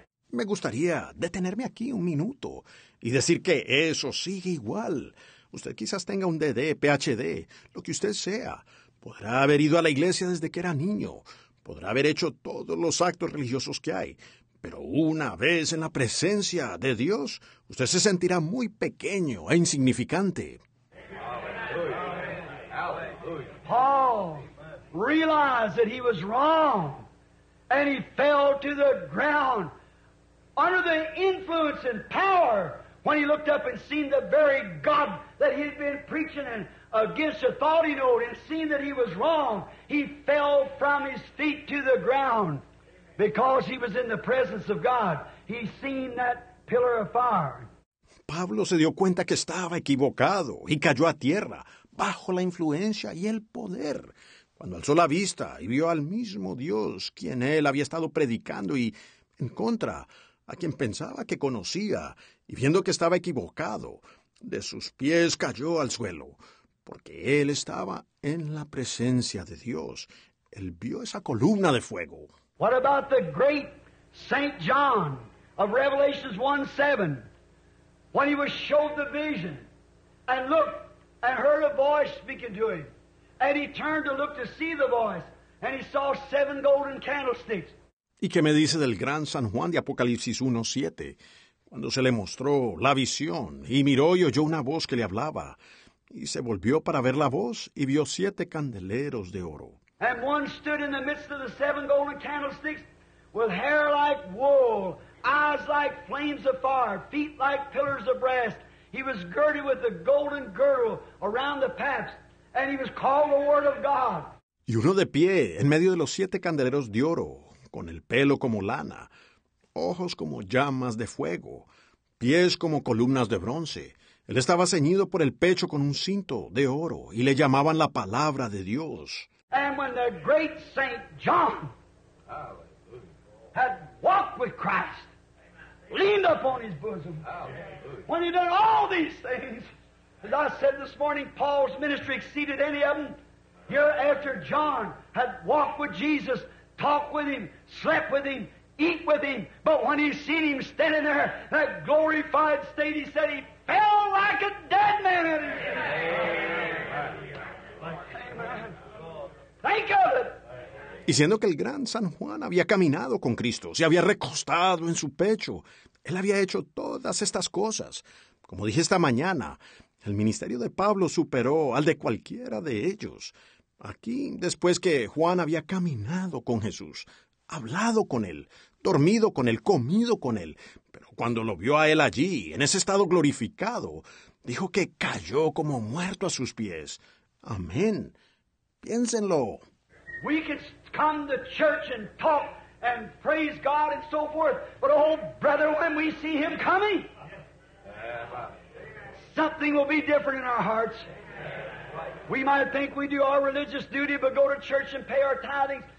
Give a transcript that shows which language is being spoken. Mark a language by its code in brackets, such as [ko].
[es] Me gustaría detenerme aquí un minuto y decir que eso sigue igual. Usted quizás tenga un DD, PhD, lo que usted sea. Podrá haber ido a la iglesia desde que era niño. Podrá haber hecho todos los actos religiosos que hay. Pero una vez en la presencia de Dios, usted se sentirá muy pequeño e insignificante. [en] Paul realized that he was wrong and he fell to the ground. Under the influence and power, when he looked up and seen the very God that he had been preaching and against the thought he knew, and seen that he was wrong, he fell from his feet to the ground because he was in the presence of God. He seen that pillar of fire. [es] Pablo se dio cuenta que estaba equivocado y cayó a tierra bajo la influencia y el poder. Cuando alzó la vista y vio al mismo Dios quien él había estado predicando y en contra, a quien pensaba que conocía, y viendo que estaba equivocado, de sus pies cayó al suelo, porque él estaba en la presencia de Dios. Él vio esa columna de fuego. [en] What about the great Saint John of Revelations 1:7, when he was showed the vision, and looked, and heard a voice speaking to him, and he turned to look to see the voice, and he saw seven golden candlesticks. [es] ¿Y qué me dice del gran San Juan de Apocalipsis 1:7? Cuando se le mostró la visión, y miró y oyó una voz que le hablaba, y se volvió para ver la voz, y vio siete candeleros de oro. [en] And one stood in the midst of the seven golden candlesticks, with hair like wool, eyes like flames of fire, feet like pillars of brass. He was girded with a golden girdle around the paps, and he was called the Word of God. [es] Y uno de pie, en medio de los siete candeleros de oro, con el pelo como lana, ojos como llamas de fuego, pies como columnas de bronce. Él estaba ceñido por el pecho con un cinto de oro y le llamaban la palabra de Dios. [en] And when the great Saint John had walked with Christ, leaned upon his bosom, when he did all these things, as I said this morning, Paul's ministry exceeded any of them. Here after John had walked with Jesus, talk with him, slept with him, eat with him. But when he seen him standing there, that glorified state, he said he fell like a dead man at his feet. [es] Y siendo que el gran San Juan había caminado con Cristo, se había recostado en su pecho, él había hecho todas estas cosas. Como dije esta mañana, el ministerio de Pablo superó al de cualquiera de ellos. Aquí, después que Juan había caminado con Jesús, hablado con él, dormido con él, comido con él, pero cuando lo vio a él allí, en ese estado glorificado, dijo que cayó como muerto a sus pies. Amén. Piénsenlo. [en] We could come to church and talk and praise God and so forth, but oh, brother, when we see him coming, something will be different in our hearts. We might think we do our religious duty, but go to church and pay our tithing.